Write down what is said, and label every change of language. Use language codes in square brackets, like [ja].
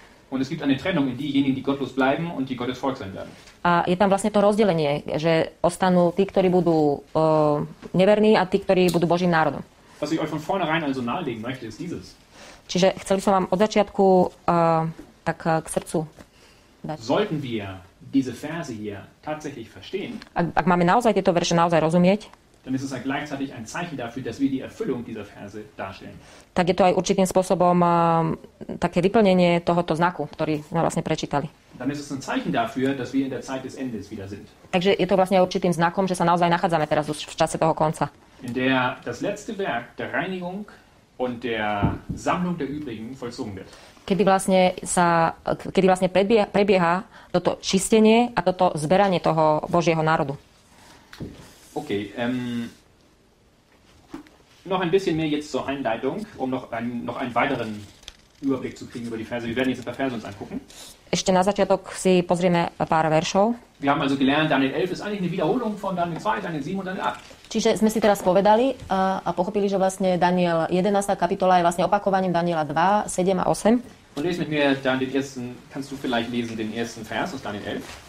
[de] Und es gibt eine Trennung in diejenigen, die gottlos bleiben und die Gottes Volk sein werden. [sk] A je tam vlastne to rozdelenie, že ostanú tí, ktorí budú neverní a tí, ktorí budú Božím národom. [de] Was ich euch von vornherein also nahelegen möchte, ist dieses. [sk] Čiže chcel by som vám od začiatku tak k srdcu dať. [de] Sollten wir diese Verse hier tatsächlich verstehen? [sk] Ak máme naozaj tieto verše naozaj rozumieť? [de] Dann ist es auch gleichzeitig ein Zeichen dafür, dass wir die Erfüllung dieser Verse darstellen. [sk] Tak je to aj určitým spôsobom také vyplnenie tohoto znaku, ktorý sme vlastne prečítali. [de] Dann ist es ein Zeichen dafür, dass wir in der Zeit des Endes wieder sind. [sk] Takže je to vlastne určitým znakom, že sa naozaj nachádzame teraz už v čase toho konca. [de] In der das letzte Werk der Reinigung und der Sammlung der Übrigen vollzogen wird. [sk] Kedy vlastne prebieha toto čistenie a toto zberanie toho Božieho národu. [de] Okay, noch ein bisschen mehr jetzt zur Einleitung, um noch einen weiteren Überblick zu kriegen über die Verse. Wir werden jetzt ein paar Verse uns angucken. [sk] Ešte na začiatok si pozrieme pár veršov. [de] Wir haben also gelernt, Daniel 11 ist eigentlich eine Wiederholung von Daniel 2, Daniel 7 und Daniel 8. [sk] Čiže sme si teraz povedali a pochopili, že vlastne Daniel 11. kapitola je vlastne opakovaním Daniela 2, 7 a 8. [de] Und lese mit mir dann den ersten, kannst du vielleicht lesen den ersten Vers aus Daniel 11?